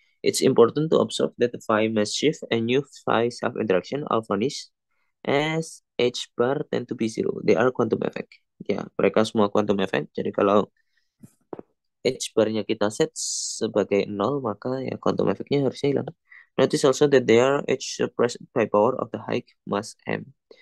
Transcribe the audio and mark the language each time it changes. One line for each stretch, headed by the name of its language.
English: It's important to observe that the phi mass shift and new phi self-interaction are vanish as h bar tend to be zero. They are quantum effect.
Indonesian: Ya, mereka semua quantum effect. Jadi kalau h bar-nya kita set sebagai nol, maka ya quantum effect-nya harusnya hilang.
English: Notice also that they are h suppressed by power of the Higgs mass m.